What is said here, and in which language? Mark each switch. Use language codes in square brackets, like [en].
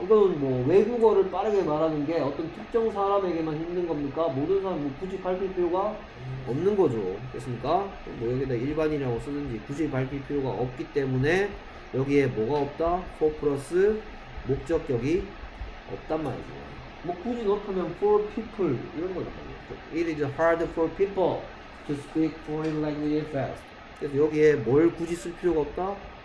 [ko] 이거는 뭐 외국어를 빠르게 말하는 게 어떤 특정 사람에게만 힘든 겁니까? 모든 사람 뭐 굳이 밝힐 필요가 없는 거죠. 됐습니까? 뭐 여기다 일반이라고 쓰는지 굳이 밝힐 필요가 없기 때문에 여기에 뭐가 없다? for 플러스 목적격이 없단 말이죠. 뭐 굳이 넣으면 for people 이런 거잖아요. [en] It is hard for people to speak foreign language fast. [ko] 그래서 여기에 뭘 굳이 쓸 필요가 없다?